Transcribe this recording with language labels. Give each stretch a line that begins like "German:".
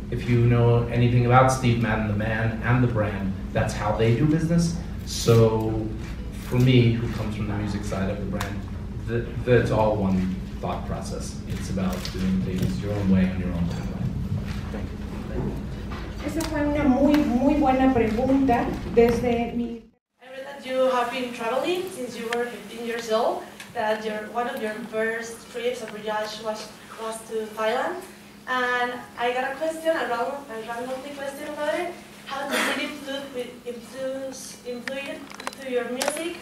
English: If you know anything about Steve Madden, the man and the brand, that's how they do business. So for me, who comes from the music side of the brand, that's all one thought process. It's about doing things your own way on your own timeline. Thank you.
Spanish: Esa fue una muy, muy buena pregunta desde mi.
English: I read that you have been traveling since you were 15 years old, that one of your first trips of voyage was to Thailand. And I got a question, a random question about it. How does it influence to your music?